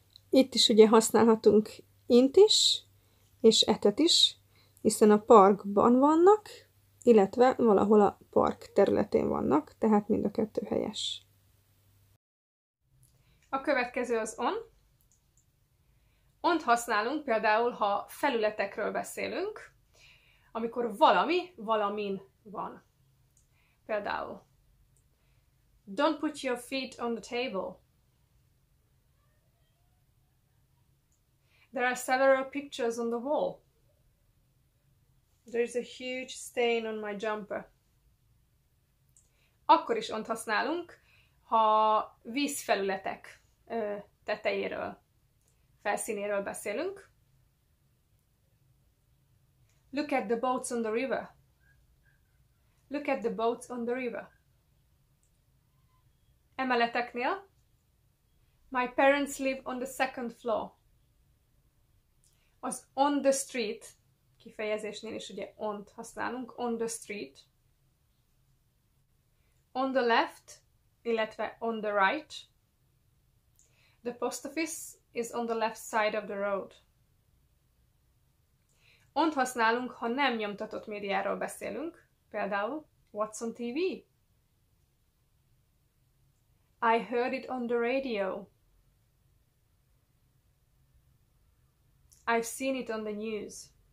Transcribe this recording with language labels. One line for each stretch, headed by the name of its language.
Hungarian: Itt is ugye használhatunk int is, és etet is, hiszen a parkban vannak, illetve valahol a park területén vannak, tehát mind a kettő helyes. A következő az on. Ont használunk például, ha felületekről beszélünk, amikor valami valamin van. Például,
English: don't put your feet on the table. There are several pictures on the wall. There's a huge stain on my jumper.
Hungarian: Akkor is ont használunk, ha vízfelületek tetejéről, felszínéről beszélünk.
English: Look at the boats on the river. Look at the boats on the river.
Hungarian: Emeleteknél.
English: My parents live on the second floor.
Hungarian: Az
English: on the street
Hungarian: kifejezésnél is ugye ont használunk,
English: on the street. on the left, illetve on the right. The post office is on the left side of the road.
Hungarian: Ont használunk, ha nem nyomtatott médiáról beszélünk, például
English: what's on TV? I heard it on the radio. I've seen it on the news.